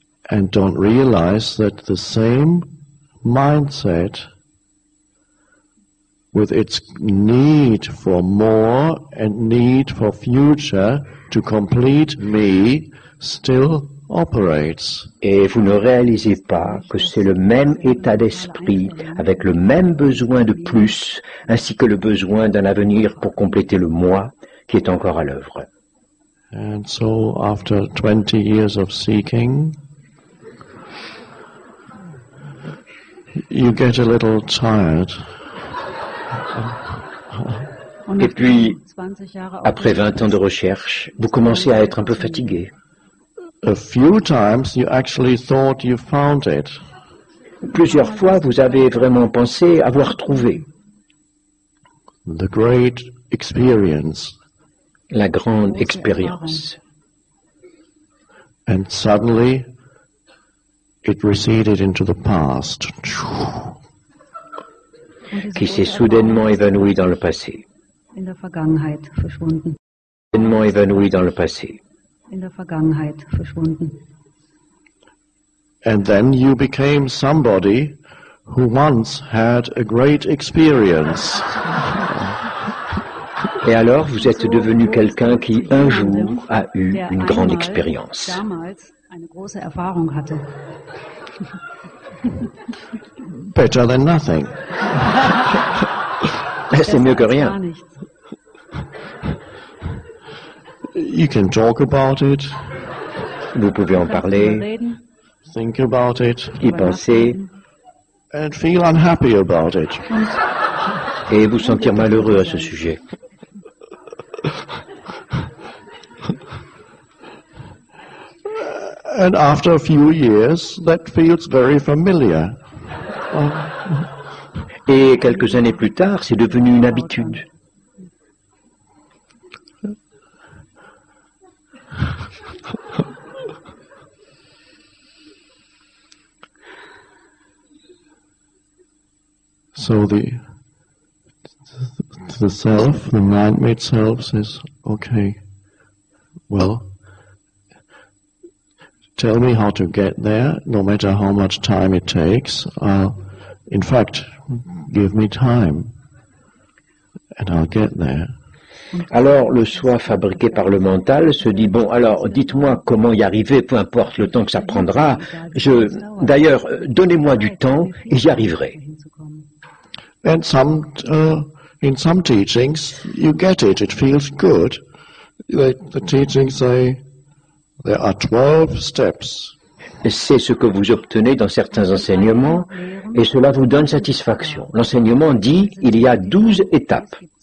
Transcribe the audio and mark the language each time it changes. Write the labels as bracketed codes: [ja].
[en] And don't realize that the same mindset with its need for more and need for future to complete me still operates. [fr] Et vous ne réalisez pas que c'est le même état d'esprit avec le même besoin de plus ainsi que le besoin d'un avenir pour compléter le moi qui est encore à l'œuvre. [en] And so after 20 years of seeking you get a little tired. [fr] Et puis après 20 ans de recherche, vous commencez à être un peu fatigué. [en] A few times you actually thought you found it. [fr] Plusieurs fois vous avez vraiment pensé avoir trouvé. [en] The great experience. [fr] La grande expérience. [en] And suddenly it receded into the past. [fr] Qui s'est soudainement évanoui dans le passé. [de] In der Vergangenheit verschwunden. [fr] Soudainement évanoui dans le passé. [de] In der Vergangenheit verschwunden. [en] And then you became somebody who once had a great experience. [fr] Et alors vous êtes devenu quelqu'un qui un jour a eu une grande expérience. [de] Damals eine große Erfahrung hatte. [en] Better than nothing. [fr] C'est mieux que rien. [en] You can talk about it. [fr] Vous pouvez en parler. [en] Think about it. [fr] Y penser. [en] And feel unhappy about it. [fr] Et vous sentir malheureux à ce sujet. [en] And after a few years, that feels very familiar. [fr] Et quelques années plus tard, c'est devenu une habitude. [en] So the self, the mind-made self, says, okay, well, tell me how to get there, no matter how much time it takes. In fact, give me time, and I'll get there. [fr] Alors, le soi fabriqué par le mental se dit, bon, alors, dites-moi comment y arriver, peu importe le temps que ça prendra. D'ailleurs, donnez-moi du temps, et j'y arriverai. [en] And in some teachings, you get it. It feels good. The teachings say there are 12 steps. [fr] C'est ce que vous obtenez dans certains enseignements, et cela vous donne satisfaction. L'enseignement dit il y a 12 étapes.